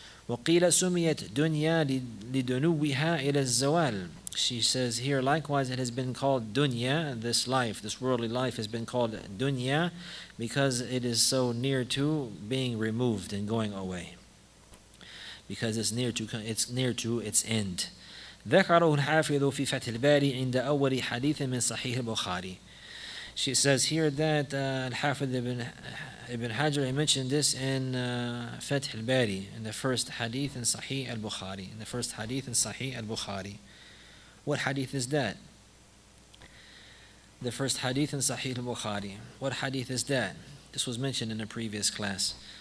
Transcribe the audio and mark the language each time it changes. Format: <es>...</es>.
<ar>وَقِيلَ سُمِيَتْ دُنْيَا لِدُنُوِّهَا إِلَى الزَّوَالِ.</ar> <en>She says here, likewise, it has been called dunya, this life, this worldly life has been called dunya because it is so near to being removed and going away. Because it's near to its end.</en> <ar>ذكره الحافظ في فتح الباري عند أول حديث من صحيح البخاري.</ar> <en>She says here that الحافظ ابن حجر, he mentioned this in فتح الباري, in the first hadith in صحيح البخاري. In the first hadith in صحيح البخاري. What hadith is that? The first hadith in صحيح البخاري. What hadith is that? This was mentioned in a previous class.</en>